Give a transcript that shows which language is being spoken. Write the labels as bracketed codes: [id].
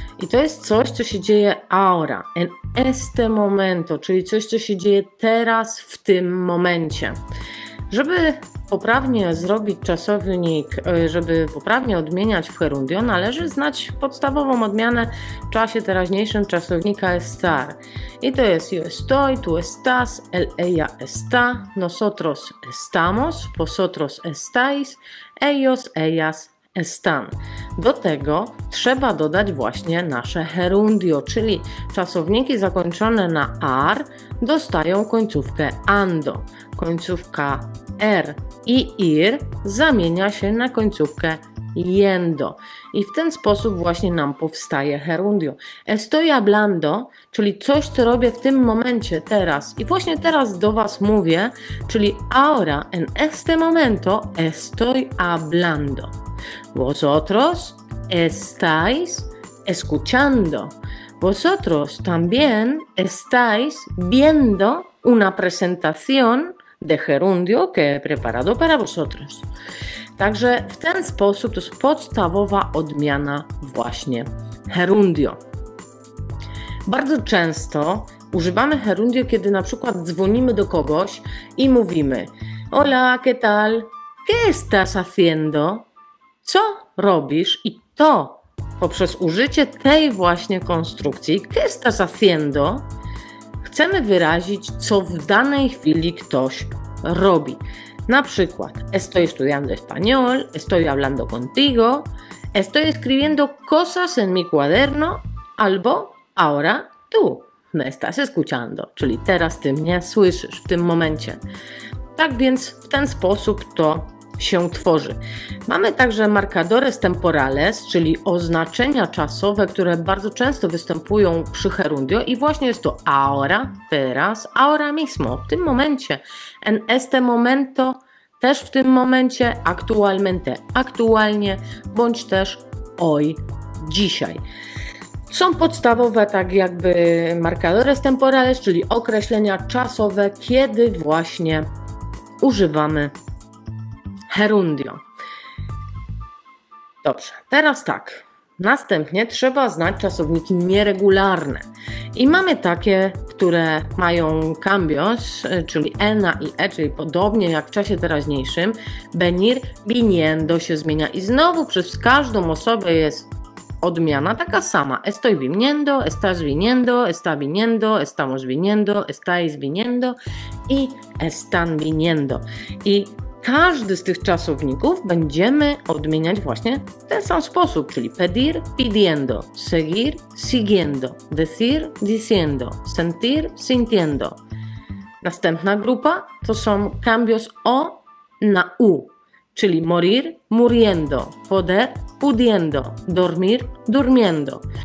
[pl] I to jest coś, co się dzieje [es] ahora, en este momento, [pl] czyli coś, co się dzieje teraz, w tym momencie. Żeby poprawnie zrobić czasownik, żeby poprawnie odmieniać w gerundio, należy znać podstawową odmianę w czasie teraźniejszym czasownika estar. I to jest [es] yo estoy, tú estás, él, ella está, nosotros estamos, vosotros estáis, ellos, ellas están. [pl] Do tego trzeba dodać właśnie nasze gerundio, czyli czasowniki zakończone na ar dostają końcówkę ando. Końcówka r i ir zamienia się na końcówkę yendo. I w ten sposób właśnie nam powstaje gerundio. [es] Estoy hablando, [pl] czyli coś, co robię w tym momencie, teraz. I właśnie teraz do Was mówię, czyli [es] ahora, en este momento, estoy hablando. Vosotros estáis escuchando. Vosotros también estáis viendo una presentación de gerundio que he preparado para vosotros. [pl] Także w ten sposób to jest podstawowa odmiana właśnie gerundio. Bardzo często używamy gerundio, kiedy na przykład dzwonimy do kogoś i mówimy: [es] hola, ¿qué tal? ¿Qué estás haciendo? [pl] Co robisz? I to poprzez użycie tej właśnie konstrukcji, [es] ¿qué estás haciendo?, [pl] chcemy wyrazić, co w danej chwili ktoś robi. Na przykład, [es] estoy estudiando español, estoy hablando contigo, estoy escribiendo cosas en mi cuaderno, albo ahora tú me estás escuchando, [pl] czyli teraz ty mnie słyszysz w tym momencie. Tak więc w ten sposób to się tworzy. Mamy także marcadores temporales, czyli oznaczenia czasowe, które bardzo często występują przy gerundio i właśnie jest to ahora, teraz, [es] ahora mismo, [pl] w tym momencie. [es] En este momento, [pl] też w tym momencie, actualmente, aktualnie, bądź też hoy, dzisiaj. Są podstawowe tak jakby marcadores temporales, czyli określenia czasowe, kiedy właśnie używamy gerundio. Dobrze, teraz tak. Następnie trzeba znać czasowniki nieregularne. I mamy takie, które mają cambios, czyli ena i e, czyli podobnie jak w czasie teraźniejszym, venir, viniendo się zmienia. I znowu przez każdą osobę jest odmiana taka sama. [es] Estoy viniendo, estás viniendo, está viniendo, estamos viniendo, estáis viniendo i están viniendo. [pl] I każdy z tych czasowników będziemy odmieniać właśnie w ten sam sposób, czyli pedir, pidiendo, seguir, siguiendo, decir, diciendo, sentir, sintiendo. Następna grupa to są cambios o na u, czyli morir, muriendo, poder, pudiendo, dormir, durmiendo.